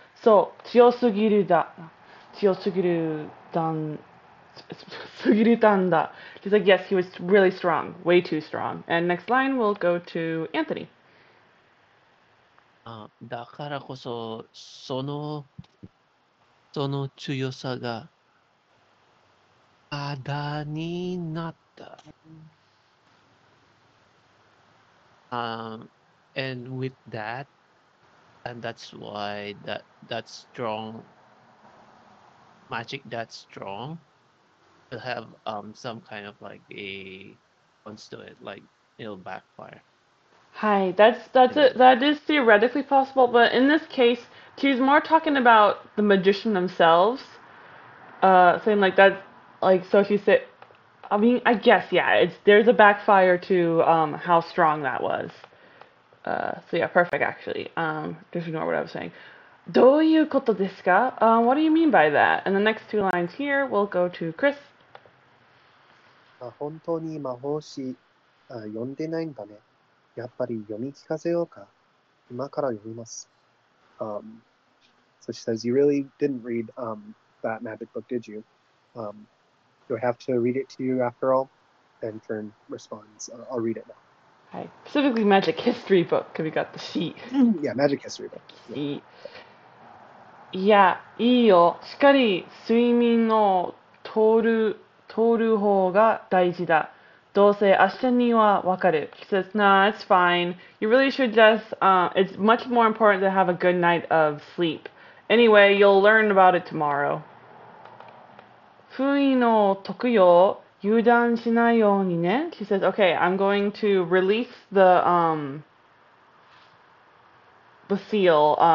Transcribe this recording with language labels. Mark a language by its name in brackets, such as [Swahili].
[English] So, 強すぎるだ、強すぎるだん… She's like, yes, he was really strong, way too strong. And next line, we'll go to Anthony. [Japanese] だからこそその強さがあだになった。 [English] And with that, and that's why that strong magic that strong. It'll have some kind of like a once to it, like it'll backfire. Hi, that is theoretically possible, but in this case, she's more talking about the magician themselves. Saying like that, like so she said. I mean, I guess yeah. There's a backfire to how strong that was. So yeah, perfect actually. Just ignore what I was saying. どういうことですか? What do you mean by that? And the next two lines here, we'll go to Chris. [Japanese] 本当に魔法師読んでないんだね。やっぱり読み聞かせようか。今から読みます。 [English] So she says, you really didn't read that magic book, did you? Do I have to read it to you after all? And Fern responds, I'll read it now. Hi. Specifically magic history book, because we got the sheet. Yeah, magic history book. [Japanese] Yeah, いいよ。しっかり睡眠を取る方が大事だ。どうせ明日にはわかる。 [English] She says, nah, it's fine. You really should just, it's much more important to have a good night of sleep. Anyway, you'll learn about it tomorrow. [Japanese] 封印を解くよ。油断しないようにね。 [English] She says, okay, I'm going to release the seal.